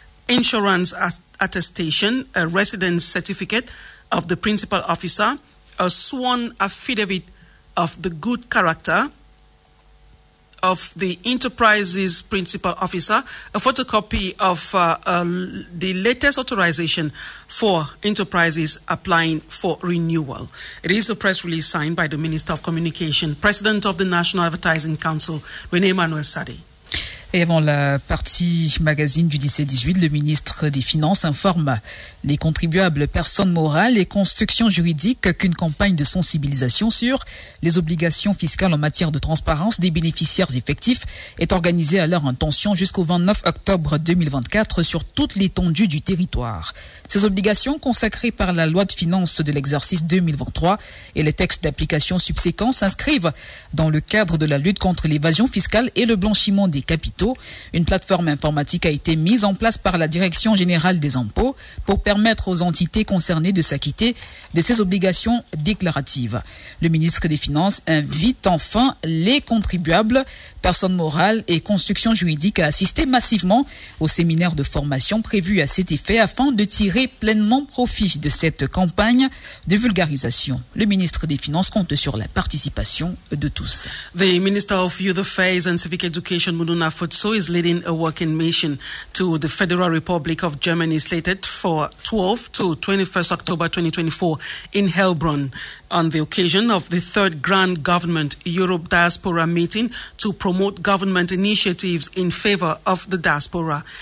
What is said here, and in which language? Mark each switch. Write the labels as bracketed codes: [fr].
[en] insurance attestation, a residence certificate of the principal officer, a sworn affidavit of the good character of the enterprise's principal officer, a photocopy of the latest authorization for enterprises applying for renewal. It is a press release signed by the Minister of Communication, President of the National Advertising Council, René Manuel Sadi. [fr] Et avant la partie magazine du 17-18, le ministre des Finances informe les contribuables, personnes morales et constructions juridiques qu'une campagne de sensibilisation sur les obligations fiscales en matière de transparence des bénéficiaires effectifs est organisée à leur intention jusqu'au 29 octobre 2024 sur toute l'étendue du territoire. Ces obligations consacrées par la loi de finances de l'exercice 2023 et les textes d'application subséquents s'inscrivent dans le cadre de la lutte contre l'évasion fiscale et le blanchiment des capitaux. Une plateforme informatique a été mise en place par la Direction générale des impôts pour permettre aux entités concernées de s'acquitter de ces obligations déclaratives. Le ministre des Finances invite enfin les contribuables, personnes morales et constructions juridiques à assister massivement au séminaire de formation prévu à cet effet afin de tirer pleinement profit de cette campagne de vulgarisation. Le ministre des Finances compte sur la participation de tous. [en] The Minister of Youth Affairs and Civic Education, Mununa, for Mutsu is leading a working mission to the Federal Republic of Germany slated for 12 to 21st October 2024 in Heilbronn on the occasion of the third Grand Government Europe Diaspora meeting to promote government initiatives in favor of the diaspora.